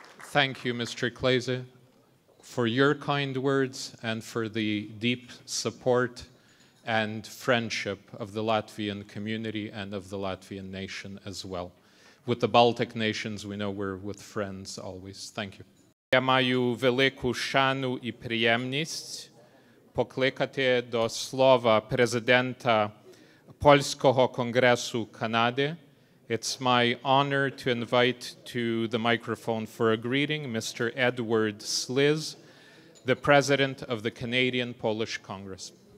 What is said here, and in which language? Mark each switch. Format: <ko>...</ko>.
<en>Thank you, Mr. Klaise, for your kind words and for the deep support and friendship of the Latvian community and of the Latvian nation as well. With the Baltic nations, we know we're with friends always. Thank you.</en> <uk>Я маю велику шану і приємність покликати до слова президента Польського Конгресу Канади.</uk> <en>It's my honor to invite to the microphone for a greeting Mr. Edward Sliz, the president of the Canadian Polish Congress.</en>